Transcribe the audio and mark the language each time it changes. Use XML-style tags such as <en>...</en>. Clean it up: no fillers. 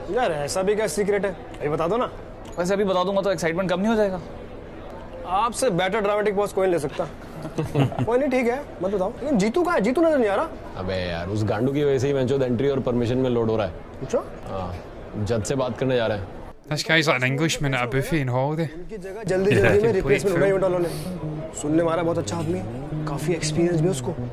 <hi>यार ऐसा भी क्या सीक्रेट है, अभी बता दो ना। वैसे अभी बता दूंगा तो एक्साइटमेंट कम नहीं हो जाएगा? आपसे बेटर ड्रामेटिक बॉस कोई ले सकता। कोई नहीं, ठीक है, मत बताओ। लेकिन जीतू कहाँ है? जीतू नजर नहीं आ रहा। अबे यार उस गांडू की वजह से ही वेंचर एंट्री और परमिशन में लोड हो रहा है। अच्छा, हां जज से बात करने जा रहा है।</hi> <en>This guy's like an Englishman at a buffet in holiday.</en> <hi>जल्दी जल्दी में रिप्लेसमेंट हो गया इवेंट वालों ने। सुनने मारा बहुत अच्छा आदमी, काफी एक्सपीरियंस भी उसको।</hi>